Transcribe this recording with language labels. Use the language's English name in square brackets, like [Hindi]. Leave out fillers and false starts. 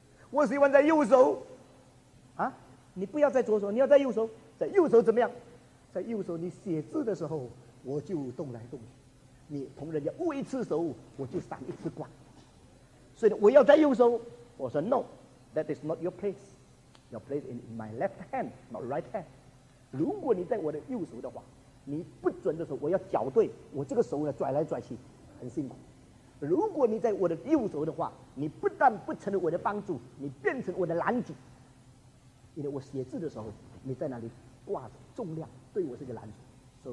[Chinese] 我喜欢在右手。啊，你不要在左手，你要在右手。在右手怎么样？在右手你写字的时候我就动来动去，你同人家握一次手我就闪一次光，所以我要在右手。我说 [English] No, that is not your place. Your place is in my left hand, not right hand. [Chinese] 如果你在我的右手的话，你不准的时候我要脚对，我这个手呢拽来拽去很辛苦。如果你在我的右手的话，你不但不成了我的帮助，你变成我的拦阻。因为我写字的时候你在那里挂着重量，对我是个拦阻。